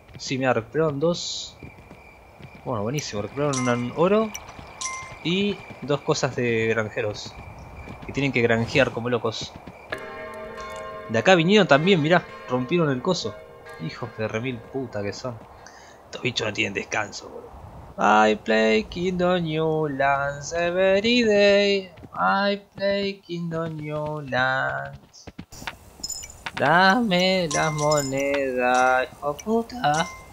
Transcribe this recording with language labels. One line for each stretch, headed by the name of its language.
Spanish: Sí, mira, recuperaron dos. Bueno, buenísimo. Recuperaron un oro y dos cosas de granjeros. Que tienen que granjear como locos. De acá vinieron también, mirá. Rompieron el coso. Hijos de remil puta que son. Estos bichos no tienen descanso, boludo.
English: I play Kingdom New Lands every day. I play Kingdom New Lands.
Spanish: Dame las monedas, hijo puta.